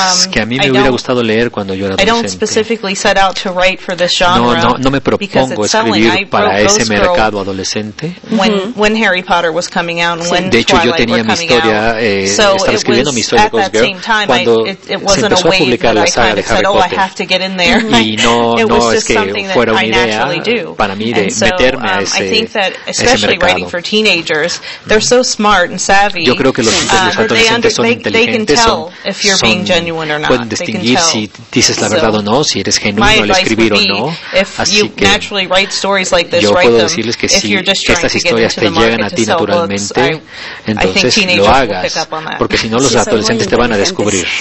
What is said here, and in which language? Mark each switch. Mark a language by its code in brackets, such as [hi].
[es] Que a mí me hubiera gustado leer cuando yo era adolescente. [en] I don't specifically set out to write for this genre. [es] No me propongo escribir para ese mercado adolescente. [en] When Harry Potter was coming out and when [es] de hecho, Twilight yo tenía mi historia, estaba escribiendo mi historia de Ghost Girl cuando se empezó a publicar la saga de Harry Potter. [en] I have to get in there. [es] Y no es que fuera una idea para mí de meterme [en] I think that especially writing for teenagers, they're so smart and savvy. [es] Yo creo que los adolescentes son inteligentes, [en] they can tell if you're being genuine or not. [es] Pueden distinguir si dices la verdad o no, si eres genuino al escribir o no. Así que [en] naturally write stories like this, [es] yo puedo decirles que si estas historias te llegan a ti naturalmente, entonces lo hagas, porque si no los adolescentes te van a descubrir.